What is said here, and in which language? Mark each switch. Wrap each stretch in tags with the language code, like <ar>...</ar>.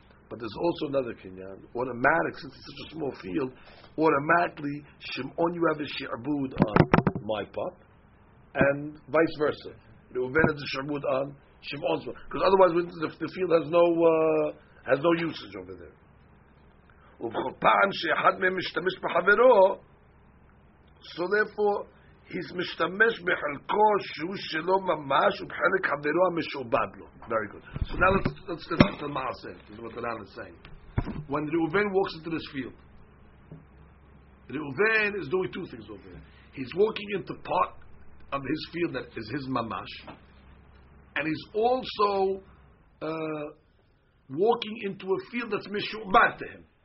<en>But there's also another kinyan, automatic, since it's such a small field, automatically, Shimon, you have a shi'abud on my part, and vice versa. Reuven has a shi'abud on Shimon's, because otherwise the field has no usage over there.</en> <he>ובכל פעם שאחד מהם משתמש בחברו,</he> <en>so therefore he's</en> <he>משתמש בחלקו שהוא שלו ממש ובחלק חברו המשובד לו.</he> <en>Very good. So now let's look at the ma'aseh. This is what the Rana is saying. When Reuven walks into this field, Reuven is doing two things over there. He's walking into part of his field that is his mamash. And he's also walking into a field that's mishubad to him.</en>